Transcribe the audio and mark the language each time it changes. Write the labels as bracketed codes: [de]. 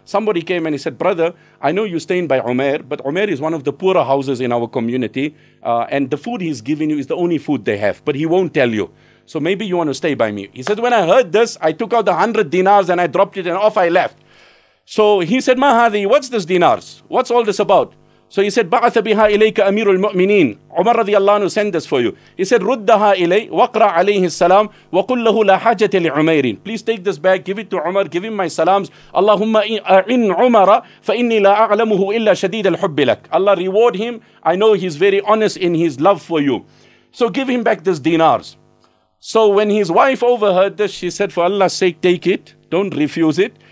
[en] Somebody came and he said, brother, I know you're staying by Umair, but Umair is one of the poorer houses in our community, and the food he's giving you is the only food they have, but he won't tell you. So maybe you want to stay by me. He said, when I heard this, I took out the 100 dinars and I dropped it and off I left. So he said, [ar] مَا هَذِي, [en] what's this dinars? What's all this about? So he said, [ar] بَعَثَ بِهَا إِلَيْكَ أَمِيرُ الْمُؤْمِنِينَ. [en] Umar radiallahu anhu sent this for you. He said, [ar] رُدَّهَا إِلَيْهِ وَقْرَ عَلَيْهِ السَّلَامِ وَقُلْ لَهُ لَا حَاجَةَ لِعُمَيْرٍ. [en] Please take this back, give it to Umar, give him my salams. [ar] اللَّهُمَّ إِنْ عُمَرَ فَإِنِّي لَا أَعْلَمُهُ إِلَّا شَدِيدَ الْحُبِّ لَكَ. [en] Allah reward him. I know he's very honest in his love for you. So give him back this dinars. So when his wife overheard this, she said, for Allah's sake, take it. Don't refuse it.